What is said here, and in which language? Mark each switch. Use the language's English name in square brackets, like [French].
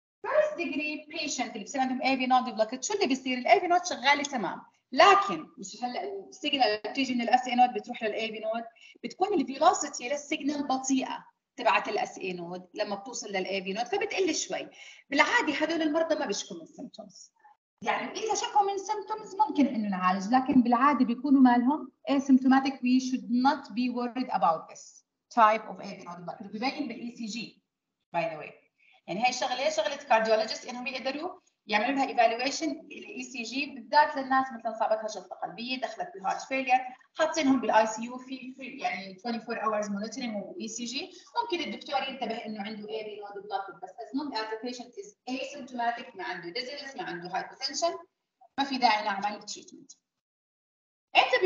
[Arabic] فيرست ديجري بيشنت اللي بصير عندهم أبيونت بلوكس، شو اللي بيصير؟ الأبيونت شغالة تمام، لكن مش هلا السيجنال اللي بتيجي من الأس إي نود بتروح للأبي نود، بتكون الفيلوسيتي للسيجنال بطيئة تبعت الأس إي نود لما بتوصل للأبي نود فبتقل شوي. بالعادي هذول المرضى ما بيشكوا من سيمبتومز، يعني إذا شكوا من symptoms ممكن إنه نعالج، لكن بالعادة بيكونوا مالهم asymptomatic. [English] We should not be worried about this type of abnormality. [Arabic] بيبين بالECG by the way. يعني هاي شغلة cardiologist إنهم يقدروا يعملوا لها evaluation الECG بالذات للناس مثلاً صابتها جلطة قلبية دخلت بالheart failure، حاطينهم بالICU في يعني 24 hours monitoring وECG. ممكن الدكتور ينتبه إنه عنده abnormality، بس [English] as long as the patient is asymptomatic [Arabic] ما عنده dizziness ما عنده hypotension ما في داعي نعمل treatment. أنت